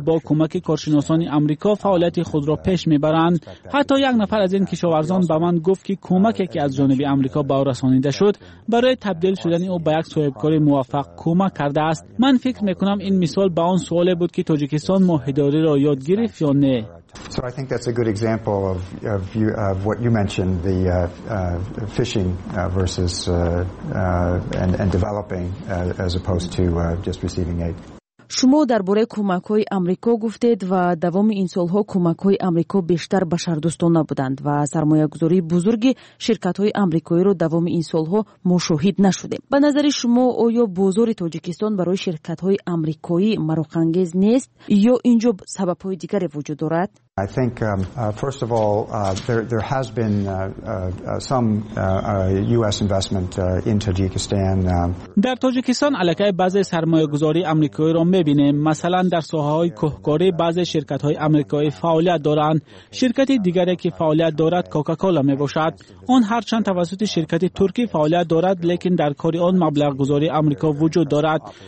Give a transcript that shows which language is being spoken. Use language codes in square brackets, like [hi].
[fa] با کمک کارشناسان آمریکا فعالیت خود را پیش میبرند. حتی یک نفر از این کشاورزان به من گفت که کمکی که از جانب آمریکا به او رسانیده شد برای تبدیل شدن او به یک صاحبکار موفق کمک کرده است. من فکر میکنم این مثال به آن سوال بود که تاجیکستان ماهداری را یاد گرفت یا نه. [en] So I think that's a good example of what you mentioned, the fishing versus and developing as opposed to just receiving aid. [fa] شما درباره کمک‌های آمریکا گفتید و دوام این سال‌ها کمک‌های آمریکا بیشتر بشردوستانه بودند و سرمایه‌گذاری بزرگ شرکت‌های آمریکایی را دوام این سال‌ها مشاهده نشده. به نظر شما آیا بازار تاجیکستان برای شرکت‌های آمریکایی مرغ‌انگیز نیست یا اینجا سبب‌های دیگری وجود دارد؟ [en] I think first of all there has been some US investment in Tajikistan. [fa] در تاجیکستان علاقه بعضی سرمایه‌گذاری آمریکایی را می‌بینیم. مثلا در ساحه‌های کوهکاری بعضی شرکت‌های آمریکایی فعالیت دارند. شرکتی دیگری که فعالیت دارد کوکاکولا می‌باشد. آن هرچند توسط شرکت ترکی فعالیت دارد، لیکن در کار آن مبلغ‌گذاری آمریکا وجود دارد.